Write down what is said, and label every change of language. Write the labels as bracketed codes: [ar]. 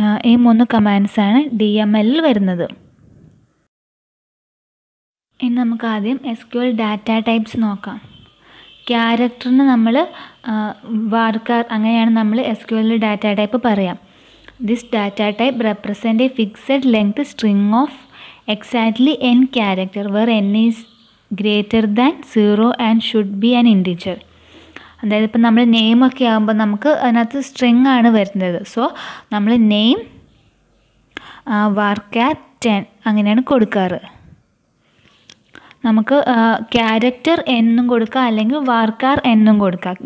[ml] ഈ മൂന്ന് കമാൻഡ്സാണ് D M എല്ലിൽ വരുന്നത്. ഇനി നമുക്ക് ആദ്യം S Q L data types നോക്കാം. ക്യാരക്ടറിന് നമ്മൾ വാർക്കാർ അങ്ങനെയാണ് നമ്മൾ എസ് ക്യു എല്ലിൽ ഡാറ്റ ടൈപ്പ് പറയാം. [en] This data type represents a fixed length string of exactly n character where n is greater than 0 and should be an integer. [ml] അതായത് ഇപ്പോൾ നമ്മൾ നെയിം ഒക്കെ ആകുമ്പോൾ നമുക്ക് അതിനകത്ത് സ്ട്രിങ് ആണ് വരുന്നത്. സോ നമ്മൾ നെയിം വാർക്കാർ 10 അങ്ങനെയാണ് കൊടുക്കാറ്. നമുക്ക് ക്യാരക്ടർ എന്നും കൊടുക്കാം അല്ലെങ്കിൽ വാർക്കാർ എന്നും കൊടുക്കാം.